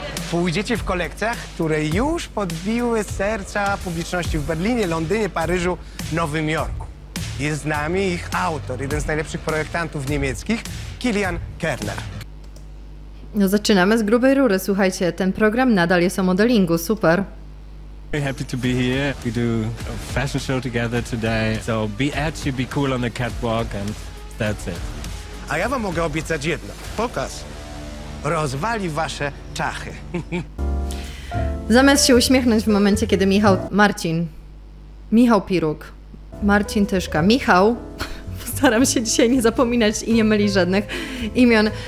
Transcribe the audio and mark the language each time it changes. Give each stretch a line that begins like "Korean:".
Polish: Pójdziecie w kolekcjach, które już podbiły serca publiczności w Berlinie, Londynie, Paryżu, Nowym Jorku. Jest z nami ich autor, jeden z najlepszych projektantów niemieckich, Kilian Kerner. No zaczynamy z grubej rury, słuchajcie, ten program nadal jest o modelingu, super.
English: Very happy to be here. We do a fashion show together today. So be edgy, be cool on the catwalk and that's it.
Polish: A ja wam mogę obiecać jedno, pokaz. Rozwali wasze czachy. Zamiast się uśmiechnąć w momencie, kiedy Michał staram się dzisiaj nie zapominać i nie mylić żadnych imion.